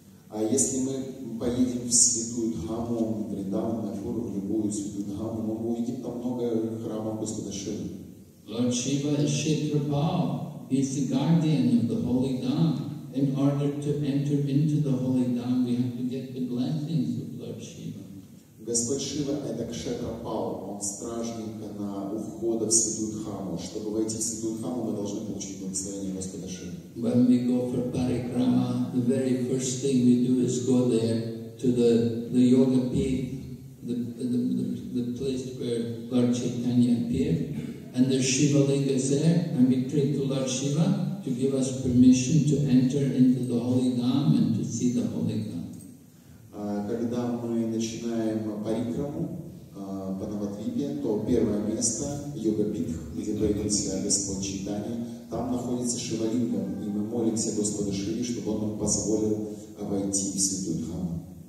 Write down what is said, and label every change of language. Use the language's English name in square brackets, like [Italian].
[Russian] А если мы поедем в святую Дхаму, в Вриндаван, Майпур, в любую святую Дхаму, мы увидим там много храмов Господа Шивы. [English] Lord Shiva is Kshetrapal. He is the guardian of the Holy Dham. In order to enter into the Holy Dham, we have to get the blessings of Lord Shiva. [Russian] Господь Шива – это Кшетрапал, он стражник у входа в Святую Дхаму. Чтобы войти в Святую Дхаму, мы должны получить благословение Господа Шивы. [English] When we go for parikrama, the very first thing we do is go there to the yoga peak, the place where Lord Chaitanya appeared, and the Shiva Linga is there, and we pray to Lord Shiva to give us permission to enter into the holy dham and to see the holy dham. [Russian] Когда мы начинаем парикраму по Навадвипе, то первое место йога пик, где появился Господь Чайтанья, там находится Шива Линга, и мы молимся Господу Шиве, чтобы Он нам позволил войти в святую дхаму.